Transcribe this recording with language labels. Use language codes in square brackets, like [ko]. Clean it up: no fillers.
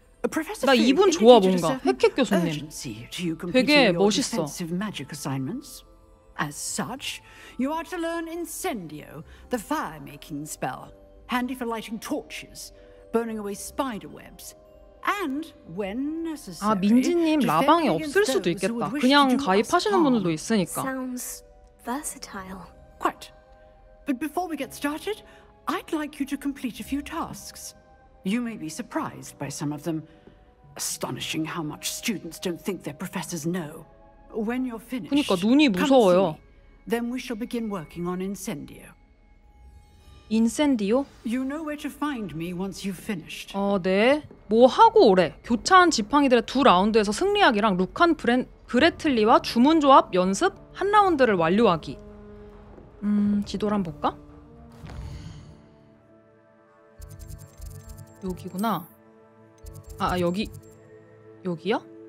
[ko] Professor, 나 이분 좋아 뭔가 해켓 교수님. 되게 멋있어. [en] Magic assignments. As such, you are to learn Incendio, the fire-making spell, handy for lighting torches, burning away spider webs, and when necessary. [ko] 아 민지님 라방이 없을 수도 있겠다. 그냥 가입하시는 분들도 있으니까. [en] Sounds versatile. Quite. But before we get started. I'd like you to complete a few tasks. You may be surprised by some of them. Astonishing how much students don't think their professors know. When you're finished, [ko] 그러니까 눈이 무서워요. [en] Then we shall begin working on Incendio. Incendio? You know where to find me once you've finished. [ko] 어, 네. 뭐 하고 오래. 교차한 지팡이들의 두 라운드에서 승리하기랑 루칸 브레틀리와 주문 조합 연습 한 라운드를 완료하기. 지도를 한번 볼까? 여기구나. 아 여기 여기요?